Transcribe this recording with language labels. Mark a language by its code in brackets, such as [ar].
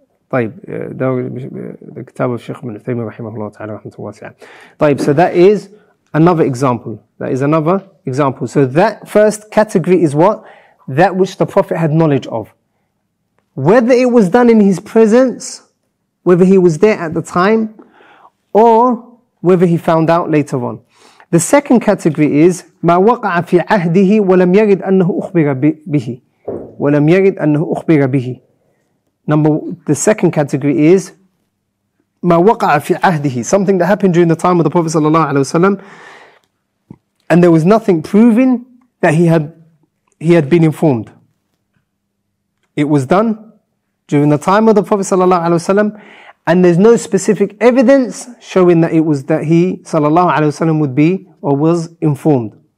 [ar] طيب, the كتاب of Sheikh ibn Uthaymeen رحمه الله تعالى رحمة الله واسعة. [en] طيب, so that is another example. That is another example. So that first category is what? That which the Prophet had knowledge of. Whether it was done in his presence, whether he was there at the time, or whether he found out later on. The second category is [ar] ما وقع في عهده ولم يرد أنه أخبر به. ولم يرد أنه أخبر به. [en] Number, the second category is [ar] ما وقع في عهده, [en] something that happened during the time of the Prophet صلى الله عليه وسلم, and there was nothing proving that he had been informed. It was done during the time of the Prophet sallallahu alaihi wasallam, and there's no specific evidence showing that it was that he sallallahu alaihi wasallam would be or was informed.